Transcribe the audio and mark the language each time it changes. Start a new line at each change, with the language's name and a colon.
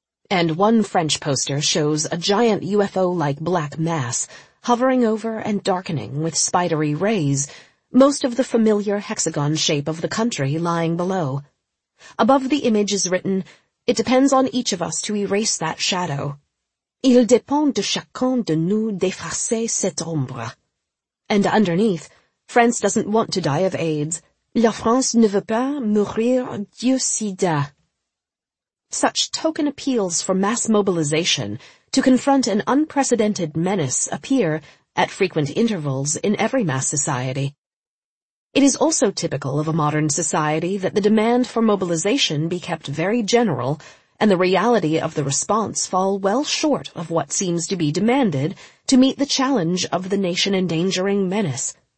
English: And one French poster shows a giant UFO-like black mass hovering over and darkening with spidery rays, most of the familiar hexagon shape of the country lying below. Above the image is written, "It depends on each of us to erase that shadow.
French: Il dépend de chacun de nous d'effacer cette ombre."
English: And underneath, "France doesn't want to die of AIDS.
French: La France ne veut pas mourir du sida."
English: Such token appeals for mass mobilization to confront an unprecedented menace appear, at frequent intervals, in every mass society. It is also typical of a modern society that the demand for mobilization be kept very general, and the reality of the response fall well short of what seems to be demanded to meet the challenge of the nation-endangering menace.